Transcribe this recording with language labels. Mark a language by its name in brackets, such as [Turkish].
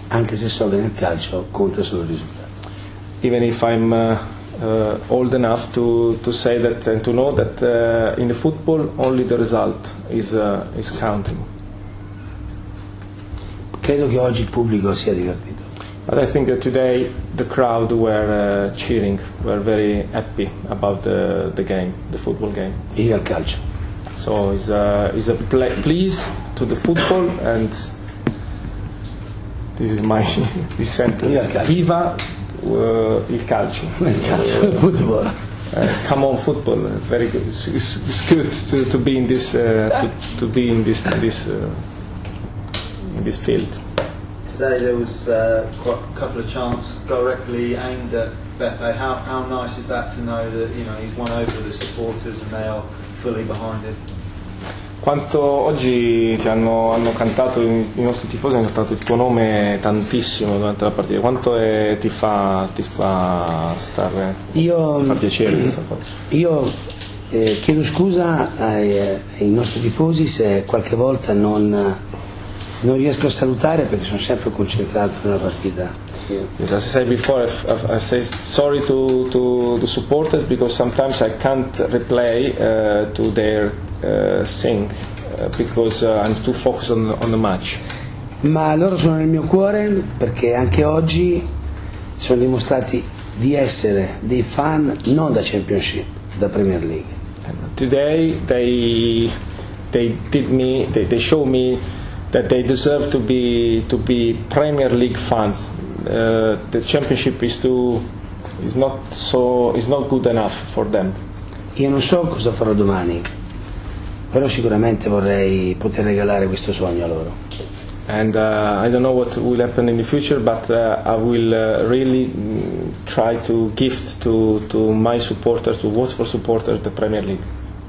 [Italian] Anche se so che nel calcio conta solo il risultato. [English] Even if I'm old enough to say that and to know that in the football only the result is counting. [Italian] Credo che oggi il pubblico sia divertito. [English] But I think that today the crowd were cheering, were very happy about the game, the football game. [Italian] E il calcio. [English] So it's a please to the football, and this is my this sentence. [Italian] Viva il calcio. Il calcio, il football. [English] Come on, football! Very good. It's good to be in this in this field. Today there was quite a couple of chants directly aimed at Beppe. How nice is that to know that, you know, he's won over the supporters and they are fully behind him? [Italian] Quanto oggi ti hanno cantato i nostri tifosi, hanno cantato il tuo nome tantissimo durante la partita, quanto ti fa piacere questa cosa? Io chiedo scusa ai nostri tifosi se qualche volta non riesco a salutare, perché sono sempre concentrato nella partita. [English] Yes, as I said before, I say sorry to the supporters, because sometimes I can't reply to their sing because I'm too focused on the match. [Italian] Ma loro sono nel mio cuore, perché anche oggi sono dimostrati di essere dei fan non da Championship, da Premier League. [English] And today they show me that they deserve to be Premier League fans. The Championship is not good enough for them. [Italian] Io non so cosa farò domani, però sicuramente vorrei poter regalare questo sogno a loro. [English] And I don't know what will happen in the future, but I will really try to gift to my supporters, to Watford supporters, the Premier League.